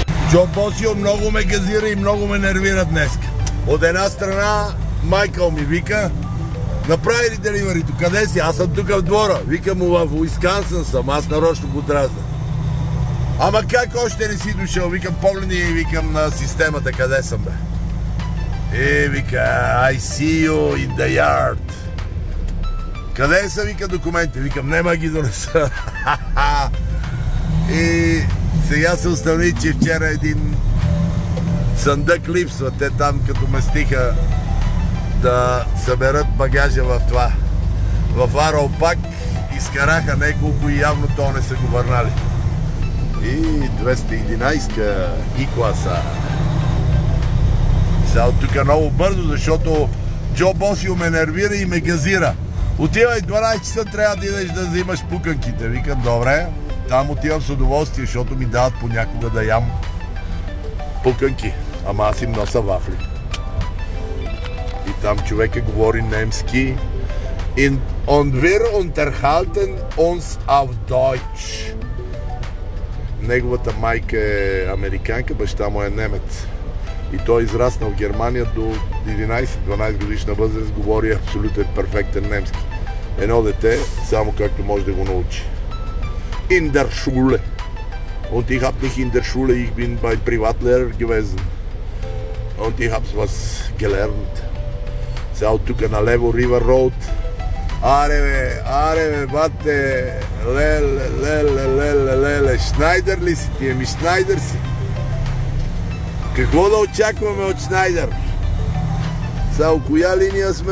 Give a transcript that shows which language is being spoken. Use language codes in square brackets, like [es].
[bg] Чобосио много ме газира и много ме нервира днес. От една страна Майкъл ми вика, направи ли деливарито, къде си? Аз съм тук в двора. Вика му, в Уисконсин съм, аз нарочно го дразна. Ама как още не си дошъл? Викам, погледни и викам на системата, къде съм бе? Е, вика, [en] I see you in the yard. [bg] Къде са, вика, документи? Викам, нема ги донеса. И сега се установи, че вчера един съндък липсва. Те там като ме стиха да съберат багажа в това. В Аралпак изкараха неколко и явно то не са го върнали. И 211-ка И-класа. Сега от тук много бързо, защото Джо Босио ме нервира и ме газира. Отивай, 12 часа трябва да идеш да взимаш пуканките. Викам, добре, там отивам с удоволствие, защото ми дават понякога да ям пуканки. Ама аз им носа вафли. И там човека говори немски. [de] In on wir unterhalten uns auf Deutsch. [bg] Неговата майка е американка, баща му е немец. И той израснал в Германия до 11-12 годишна възраст, говори абсолютен перфектен немски. Едно дете, само както може да го научи. [de] In der Schule. Und ich hab nicht in der Schule, ich bin bei Privatlehrer gewesen. Und ich hab's was gelernt. [bg] Сега от тук на лево, River Road. Аре бе, аре бе, бате, леле, леле, леле, леле, Шнайдер ли си ти? Еми Шнайдер си. Какво да очакваме от Шнайдер? Сега от коя линия сме?